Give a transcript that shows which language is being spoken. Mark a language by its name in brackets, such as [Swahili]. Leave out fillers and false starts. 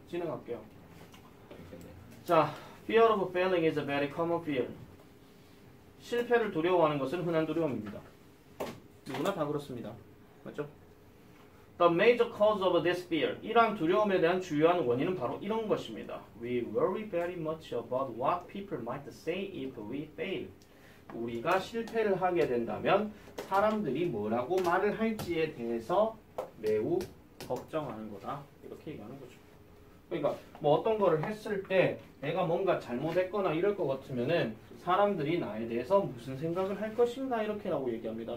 [Korean] 진행할게요. 자, [English] fear of failing is a very common fear. [Korean] 실패를 두려워하는 것은 흔한 두려움입니다. 누구나 다 그렇습니다. 맞죠? [English] The major cause of this fear. [Korean] 이러한 두려움에 대한 주요한 원인은 바로 이런 것입니다. [English] We worry very much about what people might say if we fail. [Korean] 우리가 실패를 하게 된다면 사람들이 뭐라고 말을 할지에 대해서 매우 걱정하는 거다. 이렇게 얘기하는 거죠. 그러니까 뭐 어떤 거를 했을 때 내가 뭔가 잘못했거나 이럴 것 같으면은 사람들이 나에 대해서 무슨 생각을 할 것인가 이렇게 라고 얘기합니다.